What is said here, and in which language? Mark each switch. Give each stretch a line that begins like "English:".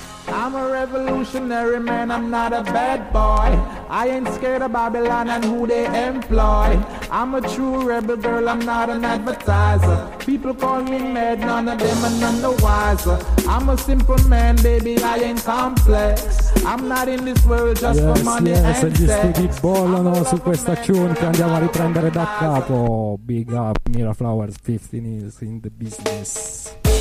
English: I'm a revolutionary man, I'm not a bad boy. I ain't scared of Babylon and who they employ. I'm a true rebel girl, I'm not an advertiser. People call me mad, none of them are none the wiser. I'm a simple man, baby, I ain't complex. I'm not in this world just yes, for money yes, and sex. Yes, yes,
Italian: bollano su questa tune che andiamo a riprendere da capo.
English: Big up, Miraflowers, 15 years in the business.